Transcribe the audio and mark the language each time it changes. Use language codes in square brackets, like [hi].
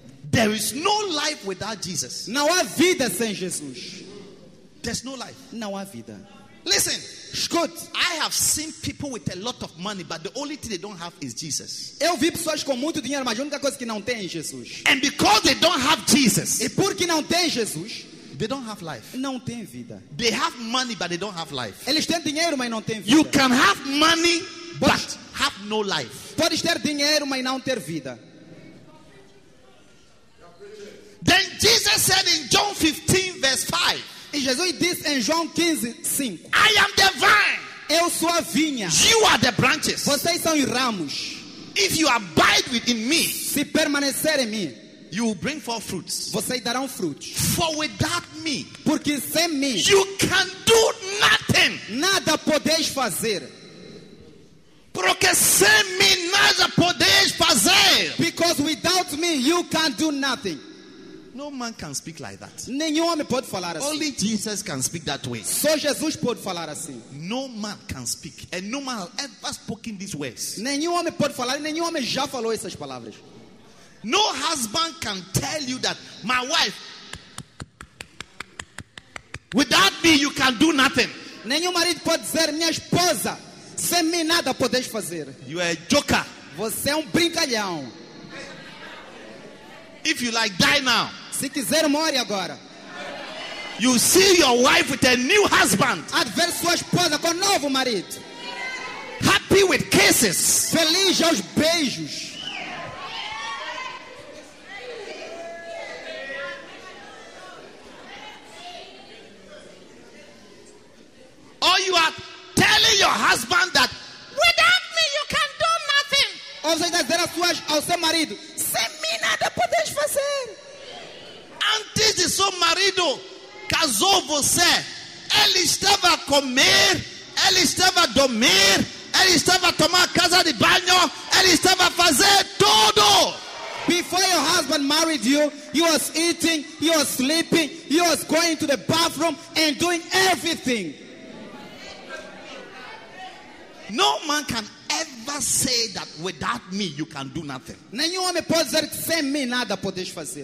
[en] There is no life without Jesus. [pt] Não há vida sem Jesus. [en] There's no life. [pt] Não há vida. [en] Listen, Scott, I have seen people with a lot of money, but the only thing they don't have is Jesus. [pt] Eu vi pessoas com muito dinheiro, mas a única coisa que não têm é Jesus. [en] And because they don't have Jesus, [pt] e porque não têm Jesus, [en] they don't have life. [pt] Não têm vida. [en] They have money, but they don't have life. [pt] Eles têm dinheiro, mas não têm vida. [en] You can have money, but have no life. [pt] Podes ter dinheiro, mas não ter vida. [en] Then Jesus said in John 15, verse 5. [pt] E Jesus disse em João 15, 5. [en] I am the vine. [pt] Eu sou a vinha. [en] You are the branches. [pt] Vocês são os ramos. [en] If you abide within me, [pt] se permanecer em mim, [en] you will bring forth fruits. [pt] Vocês darão frutos. [en] For without me, [pt] porque sem mim, [en] you can do nothing. [pt] Nada podeis fazer. Porque sem mim nada podeis fazer. [en] Because without me, you can't do nothing. No man can speak like that. [pt] Nenhum homem pode falar assim. [en] Only Jesus can speak that way. [pt] Só Jesus pode falar assim. [en] No man can speak, and no man has ever spoken these words. [pt] Nenhum homem pode falar, nenhum homem já falou essas palavras. [en] No husband can tell you that, my wife, without me you can do nothing. [pt] Nenhum marido pode dizer, minha esposa, sem mim nada podes fazer. [en] You are a joker. [pt] Você é brincalhão. [en] If you like, die now. [pt] Se quiser, morre agora. [en] You see your wife with a new husband. [pt] Adver sua esposa com novo marido. [en] Happy with kisses. [pt] Feliz aos beijos. [en] Or you are telling your husband that without me you can do nothing. [pt] Ou você dizer ao seu marido, sem mim nada podes fazer. Antes de seu marido casou você, ele estava a comer, ele estava a dormir, ele estava a tomar casa de banho, ele estava a fazer tudo. [en] Before your husband married you, he was eating, he was sleeping, he was going to the bathroom and doing everything. No man can ever say that without me you can do nothing. [pt] Nenhum homem pode dizer que sem mim nada podes fazer.